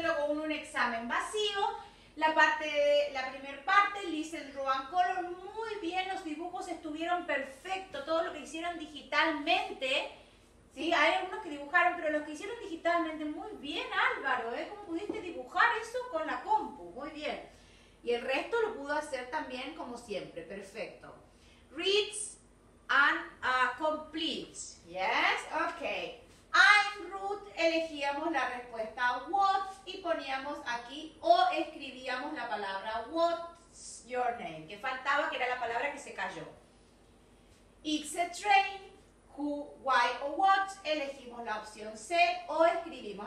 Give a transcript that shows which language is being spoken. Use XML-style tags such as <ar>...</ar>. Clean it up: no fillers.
<es>Un examen vacío, la parte de, la primera parte,</es> <en>listen, draw and color,</en> <es>muy bien, los dibujos estuvieron perfectos, todo lo que hicieron digitalmente, sí, hay algunos que dibujaron, pero los que hicieron digitalmente, muy bien, Álvaro, ¿eh? ¿Cómo pudiste dibujar eso con la compu? Muy bien, y el resto lo pudo hacer también como siempre, perfecto.</es> <en>Reads and completes, yes, okay. I'm Ruth,</en> <es>elegíamos la respuesta what y poníamos aquí o escribíamos la palabra</es> <en>what's your name,</en> <es>que faltaba, que era la palabra que se cayó.</es> <en>It's a train, who, why</en> <es>o what, elegimos la opción C o escribimos.</es>